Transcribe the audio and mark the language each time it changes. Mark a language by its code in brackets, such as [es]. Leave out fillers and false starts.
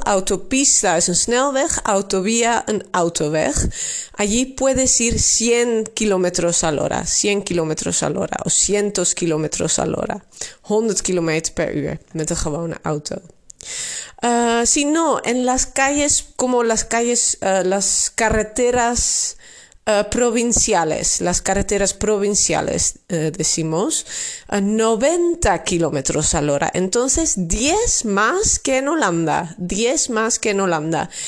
[nl] Autopista is een snelweg, autovía een autoweg. [es] Allí puedes ir 100 kilómetros a la hora, 100 kilómetros a la hora, o 100 kilómetros a la hora. [nl] 100 kilómetros per uur, met een gewone auto. [es] Si no, en las calles, como las calles, las carreteras provinciales, las carreteras provinciales, decimos 90 kilómetros a la hora. Entonces, 10 más que en Holanda. 10 más que en Holanda.